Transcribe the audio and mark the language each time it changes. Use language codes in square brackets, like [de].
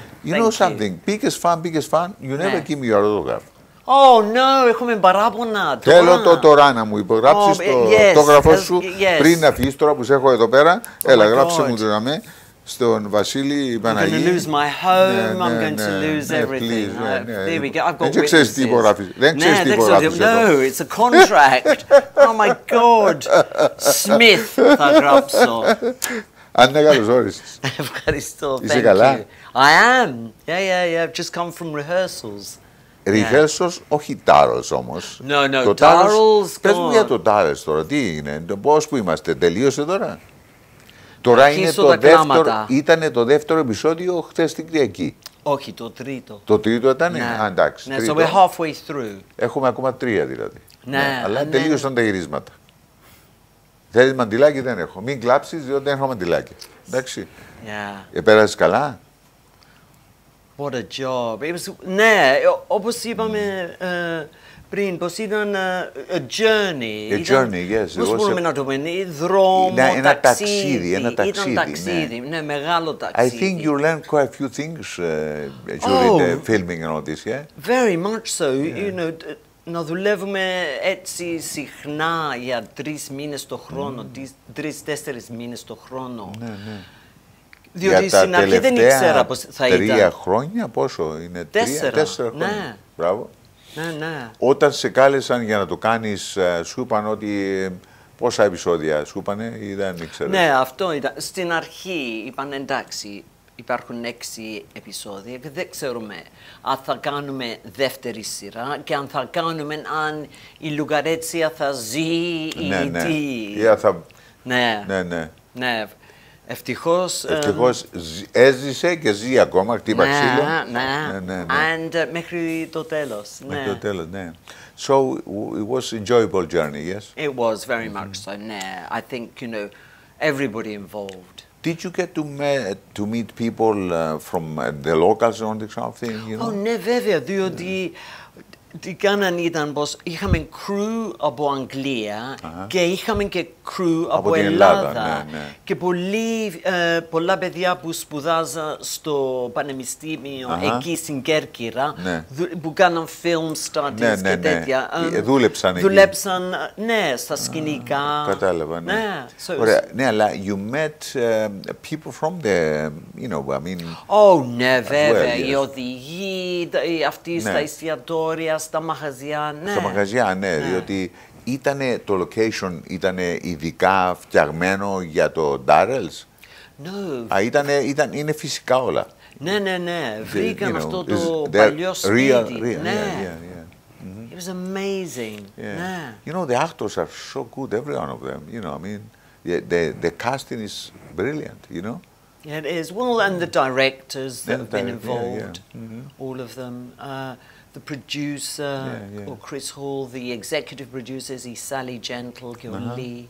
[en] You know something, biggest fan, you never give me your autograph. Oh, no, [el] έχουμε παράπονα. Θέλω το τώρα να μου υπογράψει το αυτόγραφό σου πριν να φύγει τώρα που σε έχω εδώ πέρα. Έλα, γράψε μου το γραμμέ. Στον Βασίλη Παναγή. [en] I'm going to lose my home, I'm going to lose everything. [el] Δεν ξέρεις τι υπογράφεις. Δεν ξέρεις τι υπογράφεις. [en] No, it's a contract. Oh my God. [el] Smith θα γράψω. Αν είναι καλώς όρισες. Ευχαριστώ. Είσαι καλά. [en] I am. Yeah. I've just come from rehearsals. [el] Rehearsals, όχι DURRELLS όμως. [en] No, DURRELLS. [el] Πες μου για το DURRELLS τώρα. Τι είναι, πώς που είμαστε, τελείωσε τώρα. Τώρα είναι το δεύτερο, ήταν το δεύτερο επεισόδιο χθες την Κυριακή. Όχι, το τρίτο. Το τρίτο ήταν, εντάξει. [en] Ναι, so we're halfway through. [el] Έχουμε ακόμα τρία δηλαδή. Ναι. Αλλά τελείωσαν τα γυρίσματα. Θέλεις μαντιλάκι, δεν έχω. Μην κλάψεις, διότι δεν έχω μαντιλάκι. Εντάξει. [en] Yeah. [el] Επέρασες καλά. [en] What a job. It was, [el] ναι, όπως είπαμε πριν, πως ήταν [en] a journey, yes. [el] Πώς μπορούμε να το πούμε, δρόμο, ταξίδι. Ένα ταξίδι, ένα ταξίδι. Ήταν ταξίδι, ναι, μεγάλο ταξίδι. [en] I think you learned quite a few things during the filming and all this, yeah? Very much so, yeah. [el] You know, να δουλεύουμε έτσι συχνά για τρεις μήνες το χρόνο, τρεις-τέσσερις μήνες το χρόνο. Ναι, ναι. Διότι στην αρχή δεν ήξερα πως θα ήταν. Τρία χρόνια, πόσο είναι, τέσσερα χρόνια. Μπράβο. Ναι, ναι. Όταν σε κάλεσαν για να το κάνεις, σου είπαν ότι πόσα επεισόδια σου είπανε ή δεν ήξερες. Ναι, αυτό ήταν. Στην αρχή είπαν εντάξει, υπάρχουν 6 επεισόδια και δεν ξέρουμε αν θα κάνουμε δεύτερη σειρά και αν θα κάνουμε, αν η Λουγαρέτσια θα ζει ή ναι, ναι. Τι. Ναι. Ευτυχώς. Ευτυχώς έζησε και ζει ακόμα, χτύπα ναι, ξύλο. Ναι. And μέχρι το τέλος. Μέχρι το τέλος, ναι. [en] So it was an enjoyable journey, yes? It was very much so, ναι. I think, you know, everybody involved. Did you get to meet people from the locals on this kind of thing, you know? [el] Oh, ναι, βέβαια, διότι τι κάναν ήταν πως είχαμε crew από Αγγλία και είχαμε και crew από Ελλάδα. Ναι, ναι. Και πολλά παιδιά που σπουδάζα στο πανεπιστήμιο εκεί στην Κέρκυρα, ναι. Που κάναν film studies ναι, και τέτοια. Δούλεψαν εκεί. Δούλεψαν, ναι, στα σκηνικά. Κατάλαβα, ναι. Ναι. So, ωραία, ναι, αλλά [en] you met people from the, you know, I mean... Oh, [el] ναι, βέβαια, [en] well, yes. [el] Οι οδηγοί, αυτοί ναι. Στα εστιατόρια, στα μαγαζιά, ναι. Στα μαγαζιά, ναι, ναι. Διότι ήτανε το location, ήτανε ειδικά φτιαγμένο για το DURRELLS. [en] No. [el] Είναι φυσικά όλα. Ναι. Βρήκαν [en] you know, [el] αυτό το παλιό σπίτι. [en] Real, [el] ναι. [en] Yeah. It was amazing. Yeah. [el] Ναι. [en] You know, the actors are so good, every one of them. You know, I mean, the casting is brilliant, you know. Yeah, it is. Well, and the directors that have been involved, all of them. The producer, or Chris Hall, the executive producers, he's Sally Gentle, Gil Lee.